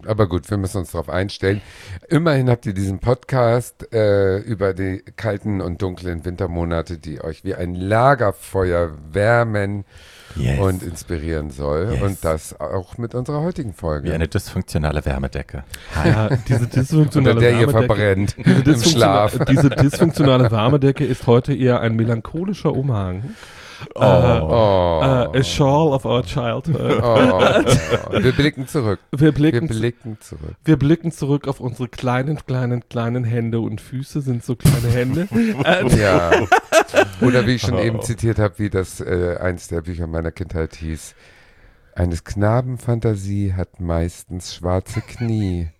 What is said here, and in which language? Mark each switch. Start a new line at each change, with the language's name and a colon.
German: Aber gut, wir müssen uns darauf einstellen. Immerhin habt ihr diesen Podcast über die kalten und dunklen Wintermonate, die euch wie ein Lagerfeuer wärmen.
English: Yes.
German: Und inspirieren soll.
English: Yes.
German: Und das auch mit unserer heutigen Folge. Wie eine dysfunktionale Wärmedecke. Ja, diese dysfunktionale Unter der Wärmedecke, ihr verbrennt im Schlaf. Diese dysfunktionale Wärmedecke ist heute eher ein melancholischer Umhang.
English: A shawl of our childhood.
German: Wir blicken zurück. Wir blicken zurück auf unsere kleinen Hände und Füße, sind so kleine Hände. Ja. Oder wie ich schon eben zitiert habe, wie das eins der Bücher meiner Kindheit hieß: Eines Knaben Fantasie hat meistens schwarze Knie.